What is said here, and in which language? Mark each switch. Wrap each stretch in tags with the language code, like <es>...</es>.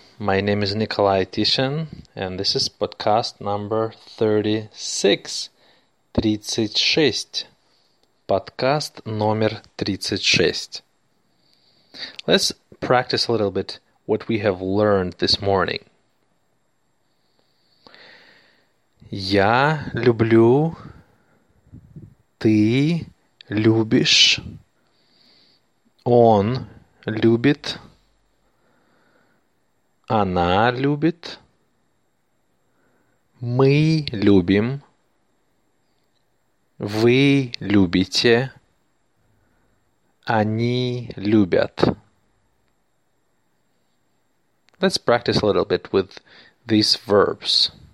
<en>My name is Nikolai Tishin, and this is podcast number 36.</en> <ru>36. Podcast номер 36.</ru> <en>Let's practice a little bit what we have learned this morning.</en> <ru>Я люблю, ты любишь, он любит, она любит, мы любим, вы любите, они любят.</ru> <en>Let's practice a little bit with these verbs.</en>